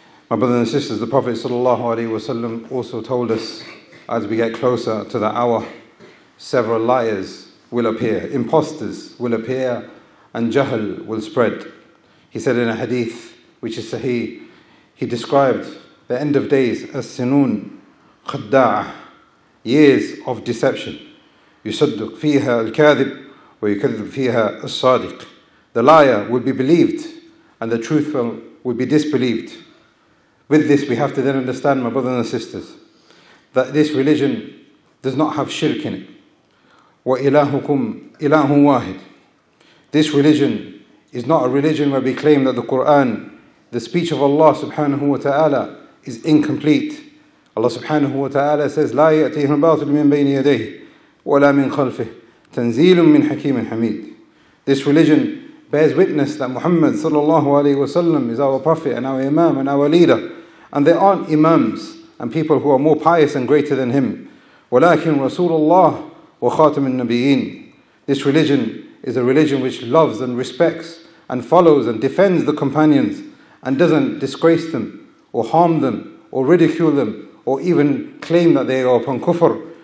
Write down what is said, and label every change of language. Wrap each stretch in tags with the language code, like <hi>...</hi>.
<en>My brothers and sisters, the Prophet sallallahu alaihi wasallam also told us, as we get closer to the hour, several liars will appear, imposters will appear, and jahl will spread. He said in a hadith, which is sahih, he described the end of days as</en> <ar>sinun khadda'ah,</ar> <en>years of deception.</en> <ar>يصدق فيها الكاذب ويكذب فيها الصادق.</ar> <en>The liar will be believed and the truthful will be disbelieved. With this, we have to then understand, my brothers and sisters, that this religion does not have shirk in it.</en> <ar>وَإِلَهُكُمْ إِلَهٌ وَاحِدٌ.</ar> <en>This religion is not a religion where we claim that the Qur'an, the speech of Allah subhanahu wa ta'ala, is incomplete. Allah subhanahu wa ta'ala says,</en> <ar>لَا يَأْتِيهُ الْبَاطِلُ مِنْ بَيْنِ يَدَيْهِ وَلَا مِنْ خَلْفِهِ تَنْزِيلٌ مِنْ حَكِيمٍ حَمِيدٍ.</ar> <en>This religion bears witness that Muhammad sallallahu alayhi wa sallam is our prophet and our imam and our leader. And there aren't imams and people who are more pious and greater than him.</en> <ar>وَلَكِنْ رَسُولُ اللَّهِ وَخَاتَمِ النَّبِيِّينَ.</ar> <en>This religion is a religion which loves and respects and follows and defends the companions and doesn't disgrace them or harm them or ridicule them or even claim that they are upon kufr.</en>